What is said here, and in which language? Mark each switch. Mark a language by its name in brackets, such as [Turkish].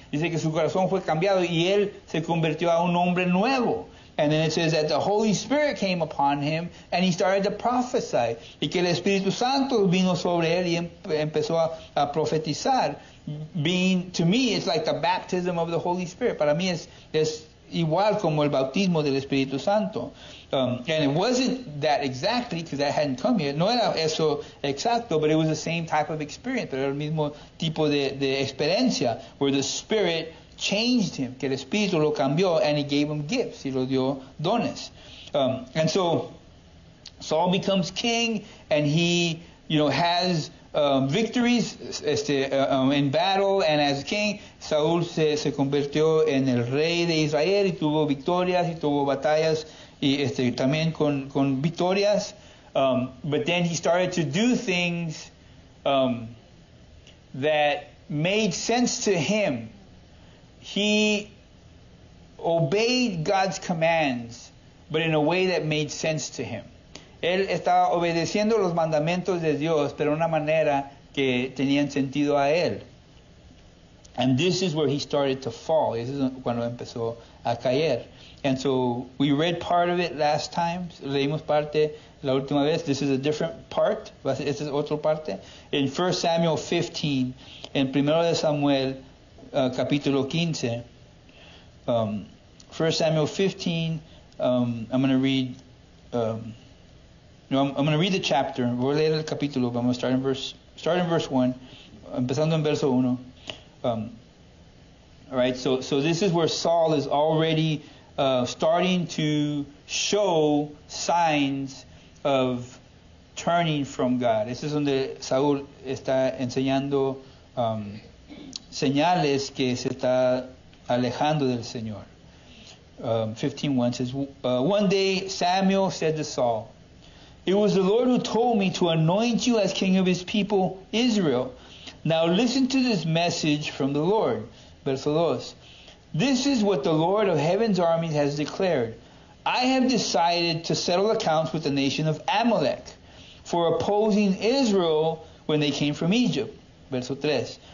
[Spanish] Dice que su corazón fue cambiado, y él se convirtió a un hombre nuevo. [English] And then it says that the Holy Spirit came upon him, and he started to prophesy. [Spanish] Y que el Espíritu Santo vino sobre él, y empezó a profetizar. [English] Being, to me, it's like the baptism of the Holy Spirit. [Spanish] Para mí es igual como el bautismo del Espíritu Santo. [English] And it wasn't that exactly, because that hadn't come yet. [Spanish] No era eso exacto, [English] but it was the same type of experience. [Spanish] Pero era el mismo tipo de experiencia, [English] where the Spirit changed him, [Spanish] que el Espíritu lo cambió, [English] and he gave him gifts, [Spanish] y lo dio dones. [English] And so Saul becomes king, and he, you know, has victories in battle, and as king, [Spanish] Saul se convirtió en el rey de Israel, y tuvo victorias, y tuvo batallas, y también con victorias. [English] But then he started to do things that made sense to him. He obeyed God's commands, but in a way that made sense to him. [Spanish] Él estaba obedeciendo los mandamientos de Dios, pero de una manera que tenían sentido a él. [English] And this is where he started to fall. This is [Spanish] cuando empezó a caer. [English] And so we read part of it last time. [Spanish] Leímos parte la última vez. [English] This is a different part. [Spanish] Esta es otra parte. [English] In 1 Samuel 15, [Spanish] en 1 Samuel capítulo 15, [English] 1 Samuel 15, I'm going to read the chapter. [Spanish] Voy a leer el capítulo. Vamos a [English] start in verse 1. [Spanish] Empezando en verso 1. [English] All right, so this is where Saul is already starting to show signs of turning from God. [Spanish] Este es donde Saúl está enseñando señales que se está alejando del Señor. [English] 15:1 says, one day Samuel said to Saul, "It was the Lord who told me to anoint you as king of his people Israel. Now listen to this message from the Lord." Verso 2. "This is what the Lord of heaven's armies has declared. I have decided to settle accounts with the nation of Amalek for opposing Israel when they came from Egypt." Verso 3.